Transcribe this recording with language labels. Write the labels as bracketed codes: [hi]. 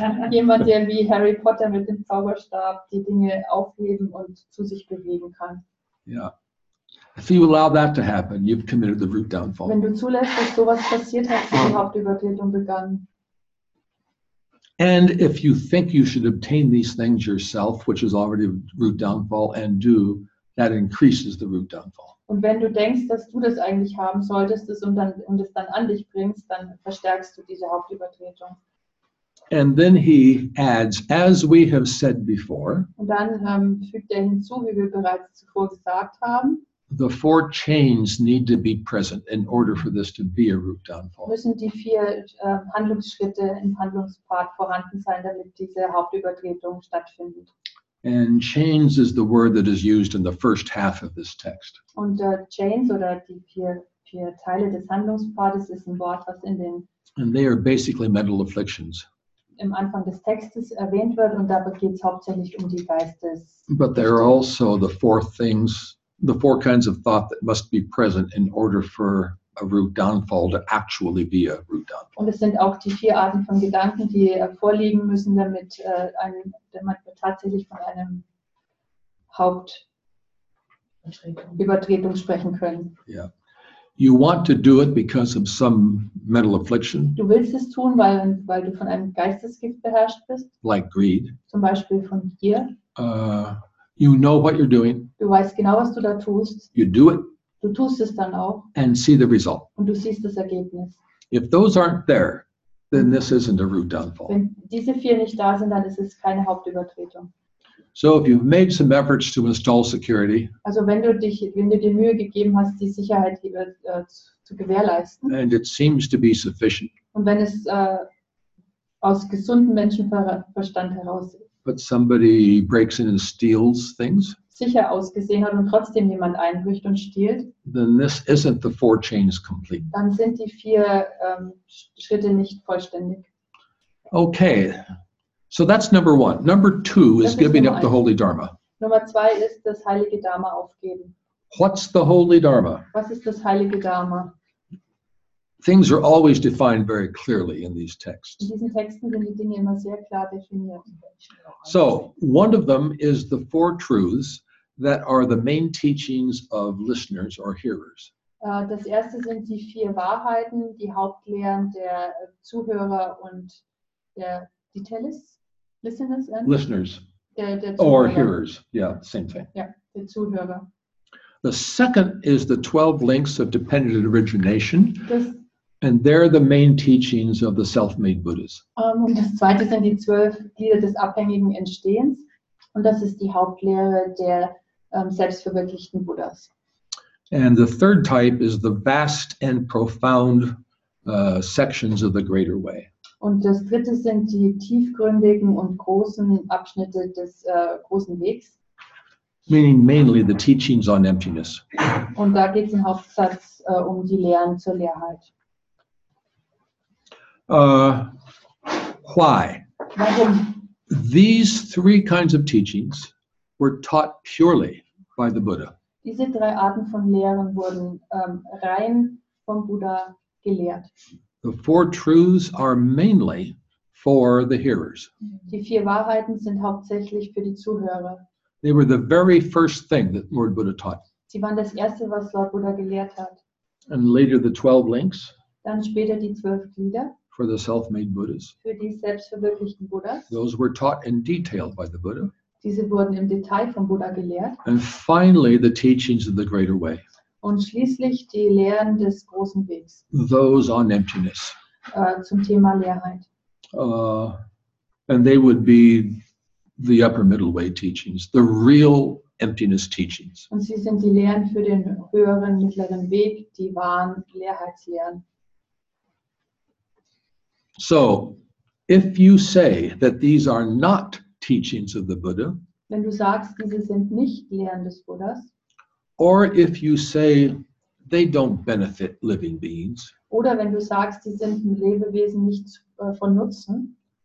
[de] Jemand, der wie Harry Potter mit dem Zauberstab die Dinge aufheben und zu sich bewegen kann. [en] Yeah. If you allow that to happen, you've committed the root downfall. [de] Wenn du zulässt, dass sowas passiert, hast du die Hauptübertretung begangen. [en] And if you think you should obtain these things yourself, which is already root downfall, and do, that increases the root downfall. [de] Und wenn du denkst, dass du das eigentlich haben solltest und es dann an dich bringst, dann verstärkst du diese Hauptübertretung. [en] And then he adds, as we have said before, [de] und dann fügt er hinzu, wie wir bereits zuvor gesagt haben, [en] the four chains need to be present in order for this to be a root downfall. [de] Müssen die vier Handlungsschritte im Handlungspfad vorhanden sein, damit diese Hauptübertretung stattfindet. [en] And chains is the word that is used in the first half of this text. [de] Und chains oder die vier Teile des Handlungspfades ist ein Wort, was in den [en] and they are basically mental afflictions. [de] Im Anfang des Textes erwähnt wird und dabei geht's hauptsächlich um die Geistes. [en] But there are also the four things, the four kinds of thought that must be present in order for a root downfall to actually be a root downfall. [de] Und es sind auch die vier Arten von Gedanken, die vorliegen müssen, damit man tatsächlich von einem Hauptübertretung sprechen können. [en] Yeah. You want to do it because of some mental affliction. [de] Du willst es tun, weil du von einem Geistesgift beherrscht bist. [en] Like greed. [de] Zum Beispiel von Gier. [en] You know what you're doing. [de] Du weißt genau, was du da tust. [en] You do it. [de] Du tust es dann auch. [en] And see the result. [de] Und du siehst das Ergebnis. [en] If those aren't there, then this isn't a root downfall. [de] Wenn diese vier nicht da sind, dann ist es keine Hauptübertretung. [en] So if you've made some efforts to install security, [de] also wenn du dir Mühe gegeben hast, die Sicherheit zu gewährleisten, [en] and it seems to be sufficient, [de] und wenn es aus gesundem Menschenverstand heraus ist, [en] but somebody breaks in and steals things, [de] sicher ausgesehen hat und trotzdem jemand einbricht und stiehlt, [en] then this isn't the four chains complete. [de] Dann sind die vier Schritte nicht vollständig. [en] Okay, so that's number one. Number two is giving up the holy dharma. [de] Nummer zwei ist das heilige Dharma aufgeben. [en] What's the holy dharma? [de] Was ist das heilige Dharma? [en] Things are always defined very clearly in these texts. [de] In diesen Texten sind die Dinge immer sehr klar definiert. [en] So, one of them is the four truths that are the main teachings of listeners or hearers. [de] Das erste sind die vier Wahrheiten, die Hauptlehren der Zuhörer und der [en] Detailers, listeners, and listeners, [de] der [en] or hearers. Yeah, same thing. [de] Yeah, der Zuhörer. [en] The second is the 12 links of dependent origination. And they're the main teachings of the self-made Buddhas. [de] Und das zweite sind die 12 Glieder des abhängigen Entstehens. Und das ist die Hauptlehre der selbstverwirklichten Buddhas. [en] And the third type is the vast and profound sections of the greater way. [de] Und das dritte sind die tiefgründigen und großen Abschnitte des großen Wegs. [en] Meaning mainly the teachings on emptiness. [de] Und da geht es im Hauptsatz um die Lehren zur Leerheit. [en] Why? [de] Warum? [en] These three kinds of teachings were taught purely by the Buddha. [de] Diese drei Arten von Lehren wurden rein vom Buddha gelehrt. [en] The four truths are mainly for the hearers. [de] Die vier Wahrheiten sind hauptsächlich für die Zuhörer. [en] They were the very first thing that Lord Buddha taught. [de] Sie waren das erste, was Lord Buddha gelehrt hat. [en] And later the 12 links. [de] Dann später die 12 Glieder. [en] For the self-made Buddhas. [de] Für die selbstverwirklichten Buddhas. [en] Those were taught in detail by the Buddha. [de] Diese wurden im Detail vom Buddha gelehrt. [en] And finally the teachings of the greater way. [de] Und schließlich die Lehren des großen Wegs. [en] Those on emptiness. [de] Zum Thema Leerheit. [en] And they would be the upper middle way teachings, the real emptiness teachings. [de] Und sie sind die Lehren für den höheren mittleren Weg, die wahren Leerheitslehren. [en] So, if you say that these are not teachings of the Buddha, [de] wenn du sagst, diese sind nicht Lehren des Buddhas, [en] or if you say they don't benefit living beings, [de] oder wenn du sagst, die sind den Lebewesen nicht von Nutzen,